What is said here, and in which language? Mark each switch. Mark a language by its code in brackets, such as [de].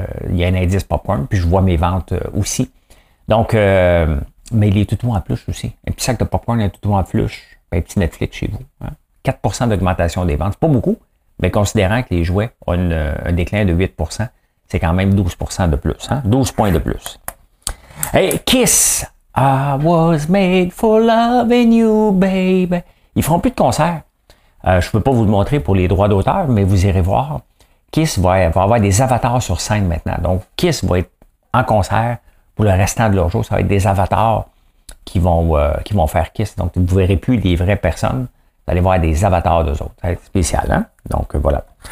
[fr] Il y a un indice popcorn, puis je vois mes ventes aussi. Donc, mais les toutous en plus aussi. Un petit sac de popcorn, un toutou en plus, un petit Netflix chez vous. Hein? 4% d'augmentation des ventes, pas beaucoup, mais considérant que les jouets ont un déclin de 8%, c'est quand même 12% de plus. Hein? 12 points de plus. Hey, Kiss! [en] I was made for loving you, baby. [fr] Ils feront plus de concerts. Je peux pas vous le montrer pour les droits d'auteur, mais vous irez voir. Kiss va avoir des avatars sur scène maintenant. Donc, Kiss va être en concert pour le restant de leur jour. Ça va être des avatars qui vont faire Kiss. Donc, vous ne verrez plus des vraies personnes. Vous allez voir des avatars d'eux autres. Ça va être spécial, hein? Donc, voilà.